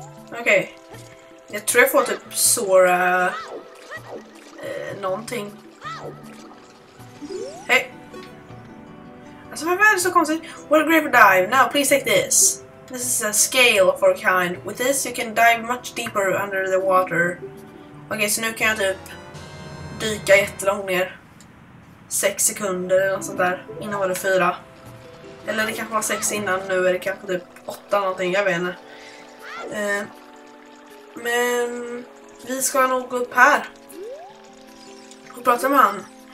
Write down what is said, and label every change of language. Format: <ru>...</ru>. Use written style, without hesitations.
<sv>Okej. Okay. Jag tror jag får typ Zora någonting. Hej. Alltså varför är det så konstigt?</sv> <en>What a great dive. Now please take this. This is a scale of our kind. With this you can dive much deeper under the water.</en> <sv>Okej, okay, så nu kan jag typ dyka jättelångt ner. 6 sekunder eller sånt där. Innan var det 4. Eller det kanske var 6 innan, nu är det kanske typ 8 någonting, jag vet inte. Men vi ska nog gå upp här. Och prata med han.</sv>